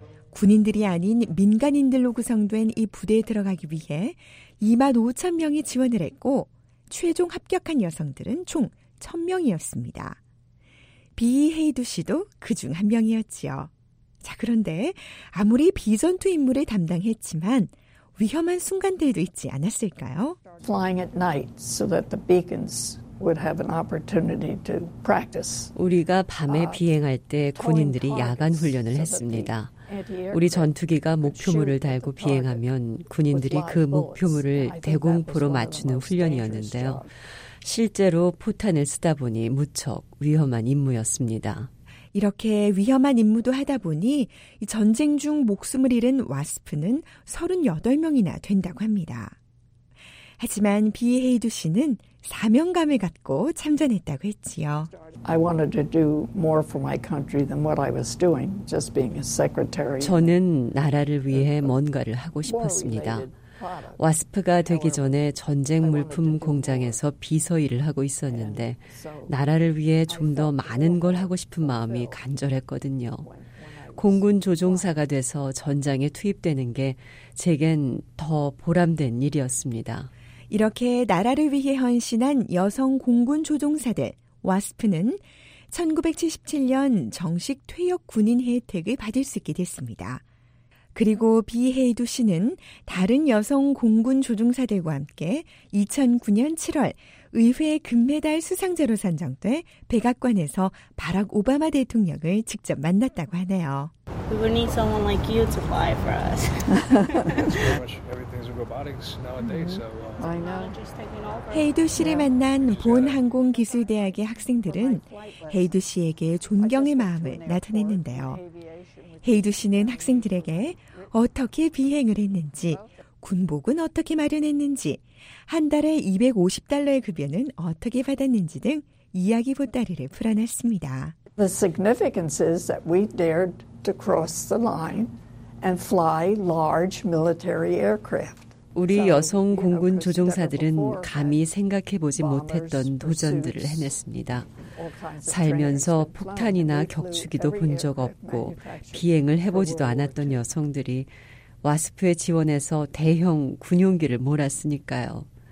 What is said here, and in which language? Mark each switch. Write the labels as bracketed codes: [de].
[ko] 군인들이 아닌 민간인들로 구성된 이 부대에 들어가기 위해 2만 5천 명이 지원을 했고 최종 합격한 여성들은 총 1,000명이었습니다. 비 헤이두 씨도 그 중 한 명이었지요. 자, 그런데 아무리 비전투 임무를 담당했지만 위험한 순간들도 있지 않았을까요? [en] Flying at night so that the beacons would have an opportunity to practice. [ko] 우리가 밤에 비행할 때 군인들이 야간 훈련을 했습니다. 우리 전투기가 목표물을 달고 비행하면 군인들이 그 목표물을 대공포로 맞추는 훈련이었는데요. 실제로 포탄을 쓰다 보니 무척 위험한 임무였습니다. 이렇게 위험한 임무도 하다 보니 전쟁 중 목숨을 잃은 와스프는 38명이나 된다고 합니다. 하지만 비헤이두 씨는 사명감을 갖고 참전했다고 했지요. [en] I wanted to do more for my country than what I was doing, just being a secretary. [ko] 저는 나라를 위해 뭔가를 하고 싶었습니다. 와스프가 되기 전에 전쟁 물품 공장에서 비서 일을 하고 있었는데 나라를 위해 좀 더 많은 걸 하고 싶은 마음이 간절했거든요. 공군 조종사가 돼서 전장에 투입되는 게 제겐 더 보람된 일이었습니다. 이렇게 나라를 위해 헌신한 여성 공군 조종사들, 와스프는 1977년 정식 퇴역 군인 혜택을 받을 수 있게 됐습니다. 그리고 비헤이두 씨는 다른 여성 공군 조종사들과 함께 2009년 7월 의회 금메달 수상자로 선정돼 백악관에서 바락 오바마 대통령을 직접 만났다고 하네요. [en] We need someone like you to fly for us. I know. [ko] 헤이두 씨를 만난 본 항공기술대학의 학생들은 헤이두 씨에게 존경의 마음을 나타냈는데요. 헤이두 씨는 학생들에게 어떻게 비행을 했는지, 군복은 어떻게 마련했는지, 한 달에 $250 급여는 어떻게 받았는지 등 이야기 보따리를 풀어냈습니다. [en] The significance is that we dared to cross the line and fly large military aircraft. [ko] 우리 여성 공군 조종사들은 감히 생각해보지 못했던 도전들을 해냈습니다. 살면서 폭탄이나 격추기도 본 적 없고 비행을 해보지도 않았던 여성들이 와스프에 지원해서 대형 군용기를 몰았으니까요.